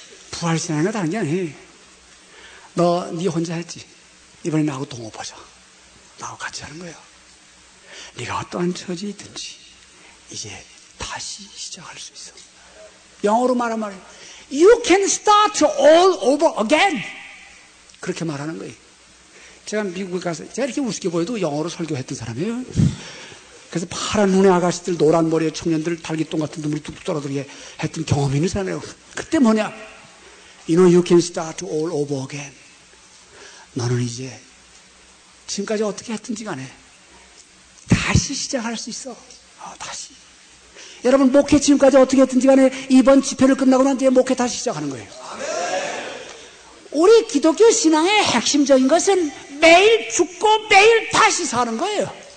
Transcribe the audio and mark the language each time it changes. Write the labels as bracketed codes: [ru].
[ko] 부활신앙과 다른 게 아니에요. 너 네 혼자 했지. 이번에 나하고 동업하자. 나하고 같이 하는 거야. 네가 어떠한 처지에 있든지 이제 다시 시작할 수 있어. 영어로 말하면 [en] You can start all over again. [ko] 그렇게 말하는 거예요. 제가 미국에 가서 제가 이렇게 우습게 보여도 영어로 설교했던 사람이에요. 그래서 파란 눈의 아가씨들, 노란 머리의 청년들, 달기똥 같은 눈물이 뚝뚝 떨어지게 했던 경험이 있는 사람이에요. 그때 뭐냐, [en] You know you can start all over again. [ko] 너는 이제 지금까지 어떻게 했든지 간에 다시 시작할 수 있어. 다시. 여러분 목회 지금까지 어떻게 했든지 간에 이번 집회를 끝나고 난 뒤에 목회 다시 시작하는 거예요. 우리 기독교 신앙의 핵심적인 것은 매일 죽고 매일 다시 사는 거예요.